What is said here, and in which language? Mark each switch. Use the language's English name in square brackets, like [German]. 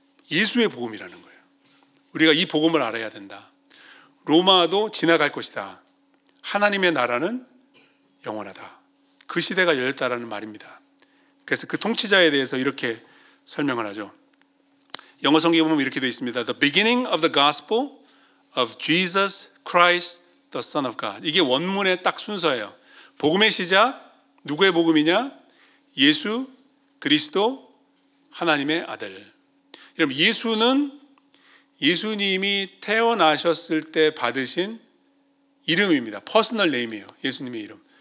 [Korean] 예수의 복음이라는 거예요. 우리가 이 복음을 알아야 된다. 로마도 지나갈 것이다. 하나님의 나라는 영원하다. 그 시대가 열렸다라는 말입니다. 그래서 그 통치자에 대해서 이렇게 설명을 하죠. 영어 성경에 보면 이렇게 되어 있습니다. [English] The beginning of the gospel of Jesus Christ, the Son of God. [Korean] 이게 원문의 딱 순서예요. 복음의 시작, 누구의 복음이냐? 예수 그리스도 하나님의 아들. 여러분 예수는 예수님이 태어나셨을 때 받으신 이름입니다. 퍼스널 네임이에요. 예수님의 이름.